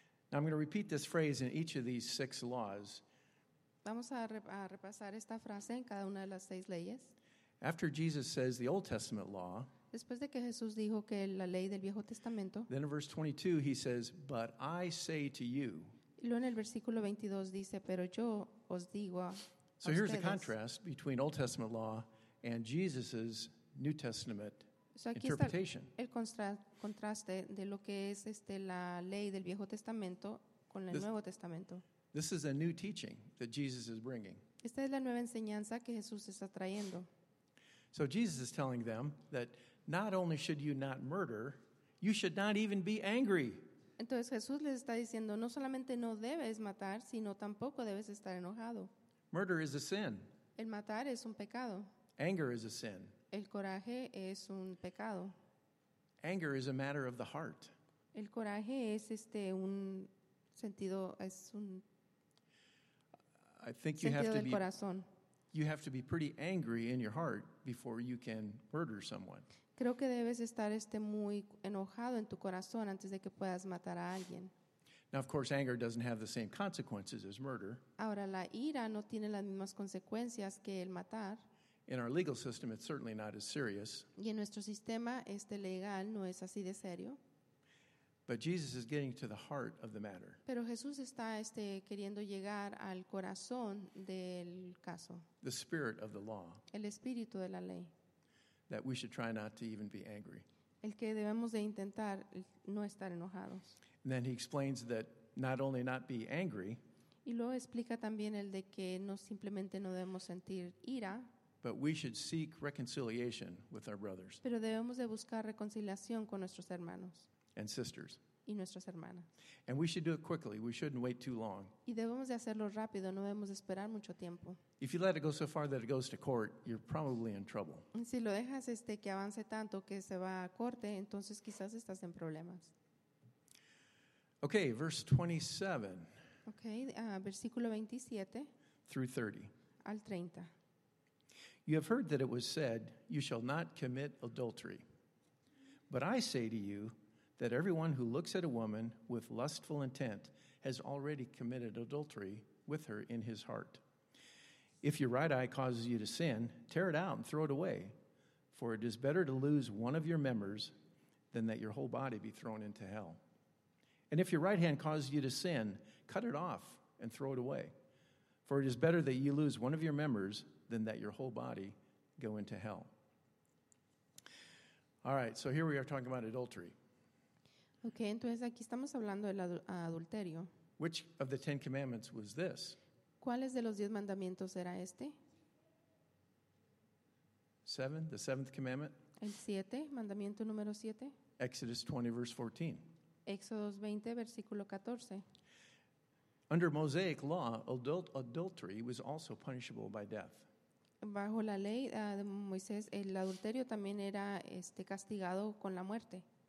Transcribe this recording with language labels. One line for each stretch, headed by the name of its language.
English: Now I'm going to repeat this phrase in each of these six laws.
Spanish: Vamos a repasar esta frase en cada una de las seis leyes.
English: After Jesus says the Old Testament law,
Spanish: después de que Jesús dijo que la ley del Viejo Testamento,
English: then in verse 22 he says, but I say to you.
Spanish: Y luego en el versículo 22 dice, pero yo os digo a ustedes.
English: So here's the contrast between Old Testament law and Jesus's New Testament interpretation.
Spanish: So aquí está el contraste de lo que es la ley del Viejo Testamento con el Nuevo Testamento.
English: This is a new teaching that Jesus is bringing.
Spanish: Esta es la nueva enseñanza que Jesús está trayendo.
English: So Jesus is telling them that not only should you not murder, you should not even be angry.
Spanish: Entonces Jesús les está diciendo, no solamente no debes matar, sino tampoco debes estar enojado.
English: Murder is a sin.
Spanish: El matar es un pecado.
English: Anger is a sin.
Spanish: El coraje es un pecado.
English: Anger is a matter of the heart.
Spanish: El coraje es un sentido, es un
English: I think you have to be corazón. You have to be pretty angry in your heart before you can murder someone.
Spanish: Creo que debes estar muy enojado en tu corazón antes de que puedas matar a alguien.
English: Now, of course, anger doesn't have the same consequences as murder.
Spanish: Ahora, la ira no tiene las mismas consecuencias que el matar.
English: In our legal system, it's certainly not as serious.
Spanish: Y en nuestro sistema legal no es así de serio.
English: But Jesus is getting to the heart of the matter.
Spanish: Pero Jesús está queriendo llegar al corazón del caso.
English: The spirit of the law.
Spanish: El espíritu de la ley.
English: That we should try not to even be angry.
Spanish: El que debemos de intentar no estar enojados.
English: And then he explains that not only not be angry.
Spanish: Y luego explica también el de que no simplemente no debemos sentir ira.
English: But we should seek reconciliation with our brothers.
Spanish: Pero debemos de buscar reconciliación con nuestros hermanos.
English: And sisters.
Spanish: Y nuestras hermanas.
English: And we should do it quickly. We shouldn't wait too long.
Spanish: Y debemos de hacerlo rápido. No debemos esperar mucho tiempo.
English: If you let it go so far that it goes to court, you're probably in trouble.
Spanish: Si lo dejas que avance tanto que se va a corte, entonces quizás estás en problemas.
English: Okay, verse 27.
Spanish: Okay, versículo 27.
English: Through 30.
Spanish: Al 30.
English: You have heard that it was said, you shall not commit adultery. But I say to you, that everyone who looks at a woman with lustful intent has already committed adultery with her in his heart. If your right eye causes you to sin, tear it out and throw it away, for it is better to lose one of your members than that your whole body be thrown into hell. And if your right hand causes you to sin, cut it off and throw it away, for it is better that you lose one of your members than that your whole body go into hell. All right, so here we are talking about adultery.
Spanish: Okay, entonces aquí estamos hablando del adulterio.
English: Which of the Ten Commandments was this?
Spanish: ¿Cuáles de los diez mandamientos era este?
English: Seven, the seventh commandment.
Spanish: El siete, mandamiento número siete.
English: Exodus 20, verse 14.
Spanish: Exodus 20, versículo 14.
English: Under Mosaic law, adultery was also punishable by death.
Spanish: Bajo la ley de Moisés, el adulterio también era castigado con la muerte.